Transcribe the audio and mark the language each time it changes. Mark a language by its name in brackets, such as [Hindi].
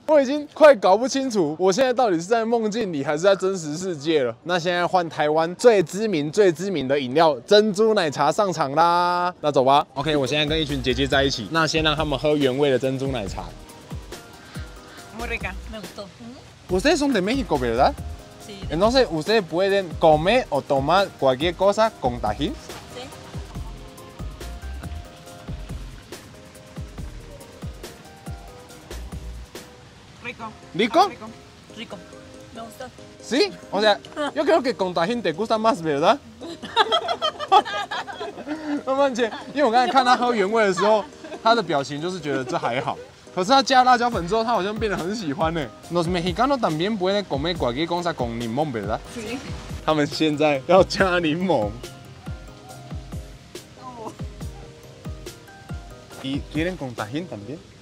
[Chinese] 我已经快搞不清楚我现在到底是在梦境里还是在真实世界了。那现在换台湾最知名最知名的饮料珍珠奶茶上场啦，那走吧。 OK， 我现在跟一群姐姐在一起，那先让他们喝原味的珍珠奶茶。 [Spanish] Muy rica， me gustó。 Ustedes son de México， ¿verdad？ Sí. Entonces ustedes pueden comer o tomar cualquier cosa con tajín. Sí. Rico. ¿Rico? Rico. Me gusta. Sí, o sea, yo creo que con tajín te gusta más, ¿verdad? [Chinese] 慢慢切，因为我刚才看他喝原味的时候，他的表情就是觉得这还好。可是他加辣椒粉之后，他好像变得很喜欢呢。 [Spanish] Los mexicanos también pueden comer cualquier cosa con limón, ¿verdad? Sí. [Chinese] 他们现在要加柠檬。 [Spanish] Y quieren con tajín también.